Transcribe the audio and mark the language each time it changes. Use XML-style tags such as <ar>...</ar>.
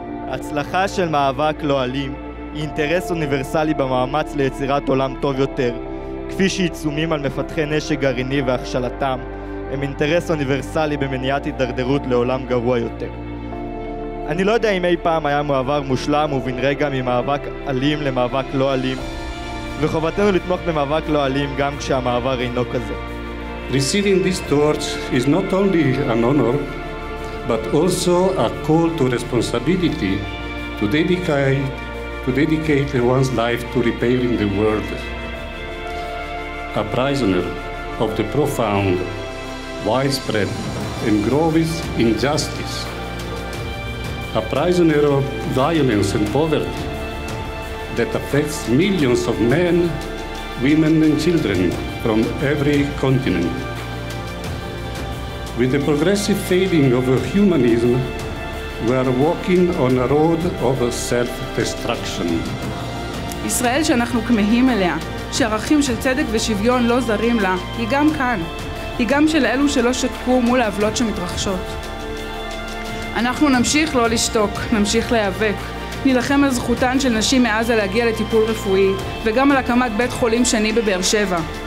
<he>הצלחה של מאבק לא אלים אינטרס אוניברסלי במאמץ ליצירת עולם טוב יותר, כפי שעיצומים על מפתחי נשק גרעיני והכשלתם, הם אינטרס אוניברסלי במניעת הידרדרות לעולם גרוע יותר. אני לא יודע אם אי פעם היה מעבר מושלם ובן רגע ממאבק אלים למאבק לא אלים, וחובתנו לתמוך במאבק לא אלים גם כשהמעבר אינו כזה.</he> <en>Receiving this torch is not only an honor, but also a call to responsibility to dedicate to dedicate one's life to repairing the world. A prisoner of the profound, widespread, and gross injustice. A prisoner of violence and poverty that affects millions of men, women, and children from every continent. With the progressive fading of humanism, we are walking on a road of self-destruction.</en> <he>Israel, שאנחנו כמהים אליה, שערכים של צדק ושוויון לא זרים לה, היא גם כאן. היא גם של אלו שלא שתקו מול העוולות שמתרחשות. אנחנו נמשיך לא לשתוק, נמשיך להיאבק. נלחם על זכותן של נשים מעזה להגיע לטיפול רפואי, וגם על הקמת בית חולים שני בבאר שבע.</he>